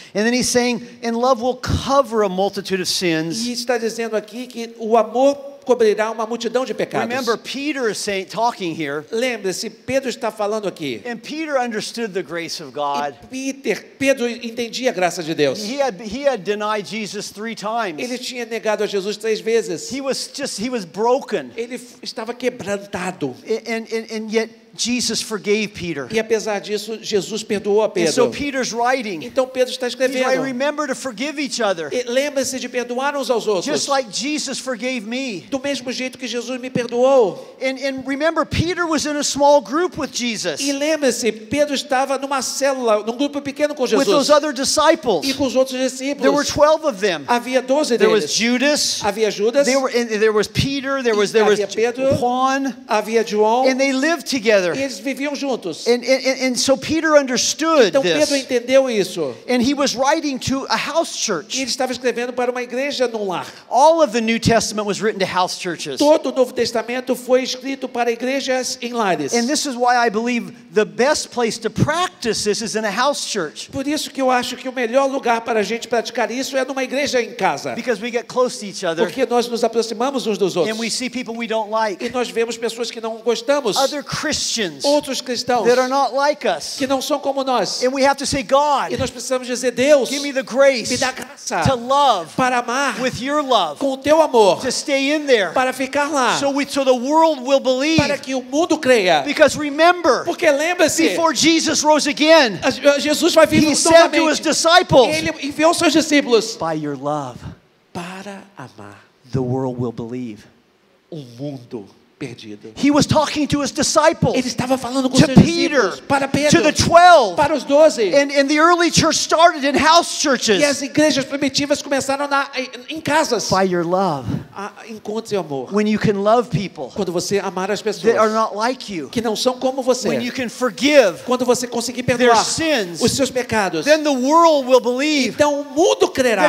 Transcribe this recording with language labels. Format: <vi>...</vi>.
<en>And then he's saying, and love will cover a multitude of sins.</en> <pt>E está dizendo aqui que o amor cobrirá uma multidão de pecados.</pt> <en>Remember, Peter is saying, talking here.</en> <pt>Lembre-se, Pedro está falando aqui.</pt> <en>And Peter understood the grace of God.</en> <pt>Pedro entendia a graça de Deus.</pt> <en>He had denied Jesus three times.</en> <pt>Ele tinha negado a Jesus três vezes.</pt> <en>He was broken.</en> <pt>Ele estava quebrantado.</pt> <en>And yet Jesus forgave Peter.</en> <pt>E apesar disso, Jesus perdoou a Pedro.</pt> <en>And so Peter's writing.</en> <pt>Então Pedro está escrevendo.</pt> <en>I remember to forgive each other.</en> <pt>E lembre-se de perdoar uns aos outros.</pt> <en>Just like Jesus forgave me.</en> <pt>Do mesmo jeito que Jesus me perdoou.</pt> <en>And remember, Peter was in a small group with Jesus.</en> <pt>E lembre-se, Pedro estava numa célula, num grupo pequeno com Jesus.</pt> <en>With those other disciples.</en> <pt>E com os outros discípulos.</pt> <en>There were 12 of them.</en> <pt>Havia 12 deles.</pt> <en>There was Judas.</en> <pt>Havia Judas.</pt> <en>There was Peter. There was</en> <pt>Pedro, Juan. Havia João.</pt> <en>And they lived together.</en> <pt>E eles viviam juntos.</pt> <en>And so Peter understood this.</en> <pt>Então Pedro entendeu isso.</pt> <en>And he was writing to a house church.</en> <pt>E ele estava escrevendo para uma igreja num lar.</pt> <en>All of the New Testament was written to house churches.</en> <pt>Todo o Novo Testamento foi escrito para igrejas em lares.</pt> <en>And this is why I believe the best place to practice this is in a house church.</en> <pt>Por isso que eu acho que o melhor lugar para a gente praticar isso é numa igreja em casa.</pt> <en>Because we get close to each other.</en> <pt>Porque nós nos aproximamos uns dos outros.</pt> <en>And we see people we don't like.</en> <pt>E nós vemos pessoas que não gostamos.</pt> <en>Other Christians.</en> <pt>Outros cristãos.</pt> <en>That are not like us.</en> <pt>Que não são como nós.</pt> <en>And we have to say God.</en> <pt>E nós precisamos dizer Deus.</pt> <en>Give me the grace.</en> <pt>Me dá graça.</pt> <en>To love.</en> <pt>Para amar.</pt> <en>With your love.</en> <pt>Com o teu amor.</pt> <en>To stay in there.</en> <pt>Para ficar lá.</pt> <en>So the world will believe.</en> <pt>Para que o mundo creia.</pt> <en>Because remember.</en> <pt>Porque lembra-se.</pt> <en>Before Jesus rose again.</en> <pt>Jesus vai vir novamente.</pt> <en>He said to his disciples.</en> <pt>Ele enviou seus discípulos.</pt> <en>By your love.</en> <pt>Para amar.</pt> <en>The world will believe.</en> <pt>O mundo.</pt> <en>He was talking to his disciples.</en> <pt>Ele estava falando com</pt> <en>to Peter,</en> <pt>para Pedro,</pt> <en>to the 12,</en> <pt>para os 12.</pt> <en>And the early church started in house churches.</en> <pt>E as igrejas primitivas começaram na, em casas.</pt> <en>By your love,</en> <pt>encontre o amor.</pt> <en>When you can love people,</en> <pt>quando você amar as pessoas</pt> <en>that are not like you,</en> <pt>que não são como você.</pt> <en>When you can forgive,</en> <pt>quando você conseguir perdoar</pt> <en>their sins,</en> <pt>os seus pecados.</pt> <en>Then the world will believe.</en> <pt>Então o mundo crerá</pt>